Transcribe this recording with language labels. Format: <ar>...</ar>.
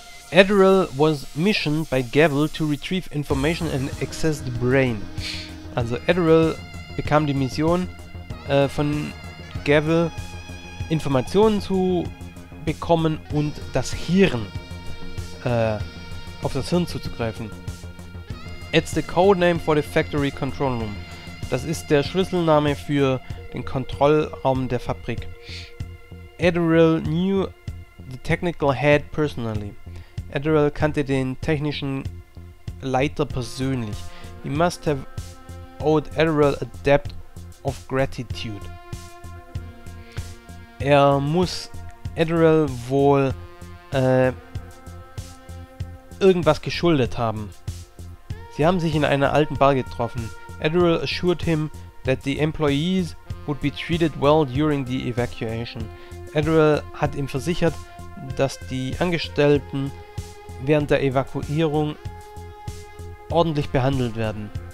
<en>Adderall was missioned by Gavel to retrieve information and access the brain.</en> <de>Also Adderall bekam die Mission von Gavel Informationen zu bekommen und das Hirn auf das Hirn zuzugreifen.</de> <en>It's the codename for the factory control room.</en> <de>Das ist der Schlüsselname für den Kontrollraum der Fabrik.</de> <en>Adderall knew the technical head personally.</en> <de>Adderall kannte den technischen Leiter persönlich.</de> <en>He must have owed Adderall a debt of gratitude.</en> <de>Er muss Adderall wohl irgendwas geschuldet haben. Sie haben sich in einer alten Bar getroffen.</de> <en>Adderall assured him that the employees would be treated well during the evacuation.</en> <de>Adderall hat ihm versichert, dass die Angestellten während der Evakuierung ordentlich behandelt werden.</de>